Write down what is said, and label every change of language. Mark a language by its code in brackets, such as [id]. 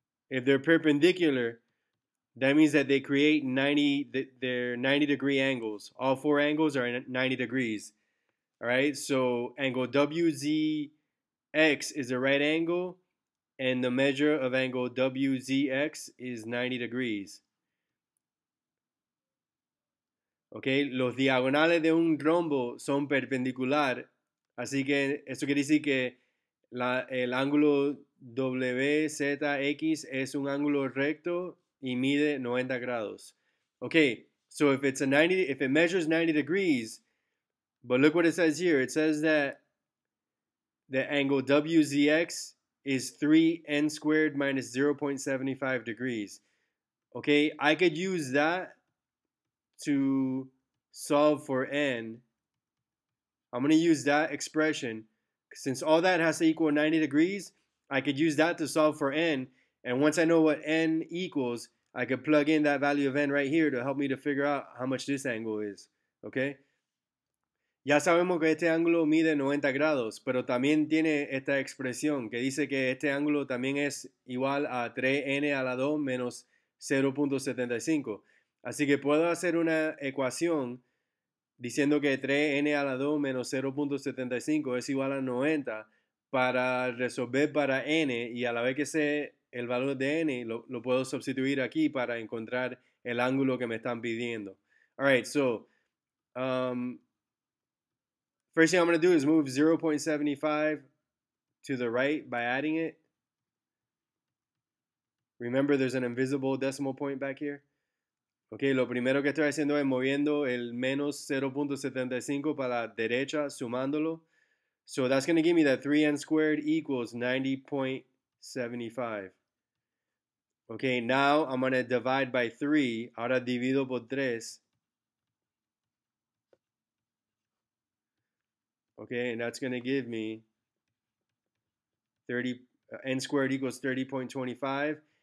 [en] If they're perpendicular, that means that they create 90 degree angles. All four angles are 90 degrees. All right, so angle WZX is a right angle, and the measure of angle WZX is 90 degrees. [es] Okay, los diagonales de un rombo son perpendicular, así que eso quiere decir que el ángulo WZX es un ángulo recto y mide 90 grados. [en] Okay, so if it measures 90 degrees, but look what it says here. It says that the angle WZX is 3n squared minus 0.75 degrees. Okay, I could use that to solve for n. I'm going to use that expression. Since all that has to equal 90 degrees, I could use that to solve for n. And once I know what n equals, I could plug in that value of n right here to help me to figure out how much this angle is. Okay? [es] Ya sabemos que este ángulo mide 90 grados, pero también tiene esta expresión que dice que este ángulo también es igual a 3n a la 2 menos 0.75. Así que puedo hacer una ecuación diciendo que 3n a la 2 menos 0.75 es igual a 90 para resolver para n, y a la vez que sé el valor de n, lo puedo sustituir aquí para encontrar el ángulo que me están pidiendo. [en] All right, so first thing I'm going to do is move 0.75 to the right by adding it. Remember, there's an invisible decimal point back here. [es] Okay, lo primero que estoy haciendo es moviendo el menos 0.75 para la derecha, sumándolo. [en] So that's going to give me that 3n squared equals 90.75. Okay, now I'm going to divide by 3. [es] Ahora divido por 3. [en] Okay, and that's going to give me 30, n squared equals 30.25.